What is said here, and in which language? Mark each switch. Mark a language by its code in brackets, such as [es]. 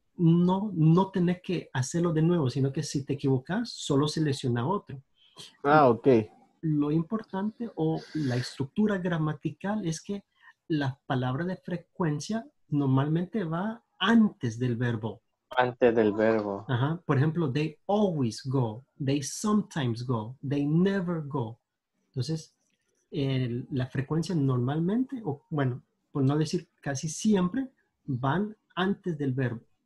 [es] No, no tenés que hacerlo de nuevo, sino que si te equivocas, solo selecciona otro. Ah, ok. Lo importante o la estructura gramatical es que la palabra de frecuencia normalmente va antes del verbo. Antes del verbo. Ajá. Por ejemplo, [en] they always go, they sometimes go, they never go. [es] Entonces, la frecuencia normalmente, o bueno, por no decir casi siempre, van antes del verbo.